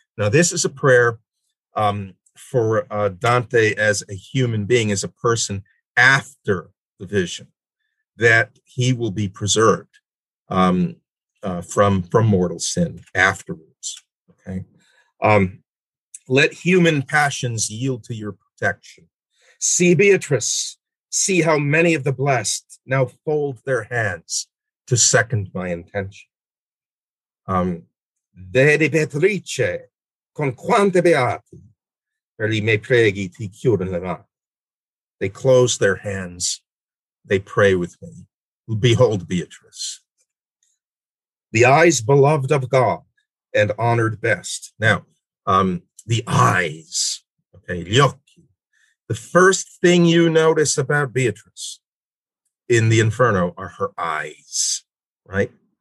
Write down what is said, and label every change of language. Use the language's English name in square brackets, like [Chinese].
[English] Now, this is a prayer for Dante as a human being, as a person after the vision, that he will be preserved from mortal sin afterwards. Okay, let human passions yield to your protection. See, Beatrice, see how many of the blessed now fold their hands to second my intention. [Italian] Vedi Beatrice, con quante beati, per li miei preghi ti chiudon le mani. [English] They close their hands, they pray with me. Behold, Beatrice, the eyes beloved of God and honored best. Now, the eyes, okay, [Italian] gli occhi. [English] The first thing you notice about Beatrice in the Inferno are her eyes, right?